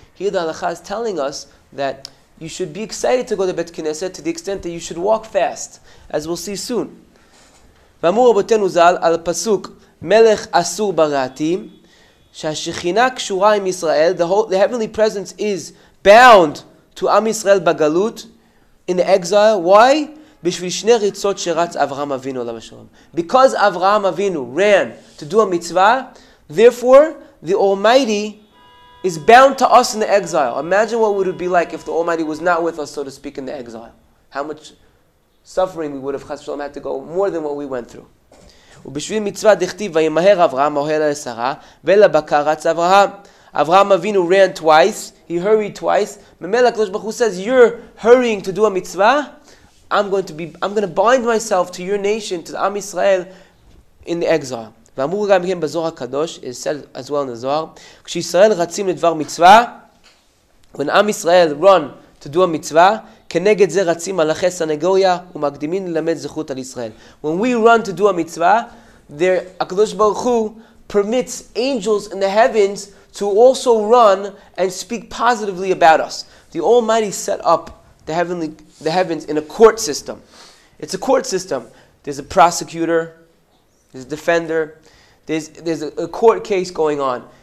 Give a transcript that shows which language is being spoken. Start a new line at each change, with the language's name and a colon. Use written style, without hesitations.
English: Here the halacha is telling us that you should be excited to go to Bet Knesset to the extent that you should walk fast, as we'll see soon.
Hebrew: V'amur rabotenu zal al pasuk melech asur barati'im. שהשכינה קשורה עם ישראל,
English: the heavenly presence is bound to Am Yisrael בגלות, in the exile. Why?
Hebrew: בשביל שני ריצות שרץ אברהם אבינו עליו השלום.
English: Because אברהם אבינו ran to do a mitzvah, therefore the Almighty is bound to us in the exile. Imagine what would it be like if the Almighty was not with us, so to speak, in the exile. How much suffering we would have, chas v'shalom, had to go, more than what we went through.
Hebrew: ובשביל מצווה דכתיב וימהר אברהם אוהל אל שרה ולבקר רץ אברהם.
English: אברהם אבינו ran twice, he hurried twice.
Hebrew: ממילא הקדוש ברוך הוא
English: says, you're hurrying to do a mitzvah, I'm going to bind myself to your nation, to the Am Yisrael in the exile.
Hebrew: ואמרו גם כן בזוהר הקדוש,
English: it said as well in the Zohar,
Hebrew: כשישראל רצים לדבר מצווה,
English: when Am Yisrael run to do a mitzvah,
Hebrew: כנגד זה רצים מלאכי סנגוריה ומקדימים ללמד זכות על ישראל.
English: When we run to do a mitzvah, there HaKadosh Baruch Hu permits angels in the heavens to also run and speak positively about us. The Almighty set up the heavens in a court system. It's a court system. There's a prosecutor, there's a defender, there's a court case going on.